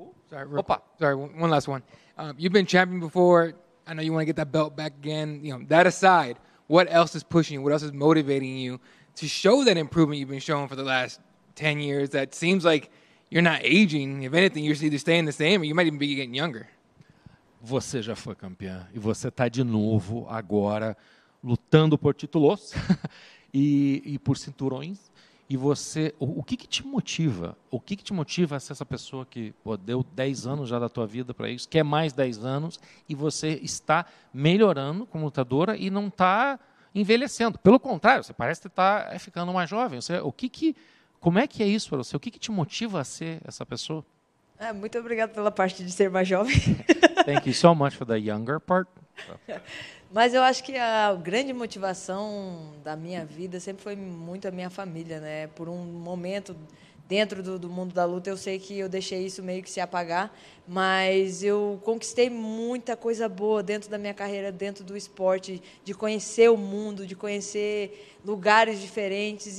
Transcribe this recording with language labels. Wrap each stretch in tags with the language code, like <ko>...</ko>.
<en>Sorry, opa. Sorry, one last one. You've been champion before. I know you want to get that belt back again. You know, that aside, what else is pushing you? What else is motivating you to show that improvement you've been showing for the last 10 years that seems like you're not aging? If anything, you're either staying the same or you might even be getting younger.</en> <pt>Você já foi campeã. E você está de novo agora lutando por títulos e por cinturões. E você, o que te motiva? O que te motiva a ser essa pessoa que pô, deu 10 anos já da tua vida para isso, quer mais 10 anos, e você está melhorando como lutadora e não está envelhecendo? Pelo contrário, você parece que está ficando mais jovem. Você, como é que é isso para você? O que te motiva a ser essa pessoa? Muito obrigada pela parte de ser mais jovem.</pt> <en>Thank you so much for the younger part.</en> <pt>Mas eu acho que a grande motivação da minha vida sempre foi muito a minha família, né? Por um momento dentro do mundo da luta, eu sei que eu deixei isso meio que se apagar, mas eu conquistei muita coisa boa dentro da minha carreira, dentro do esporte, de conhecer o mundo, de conhecer lugares diferentes.</pt>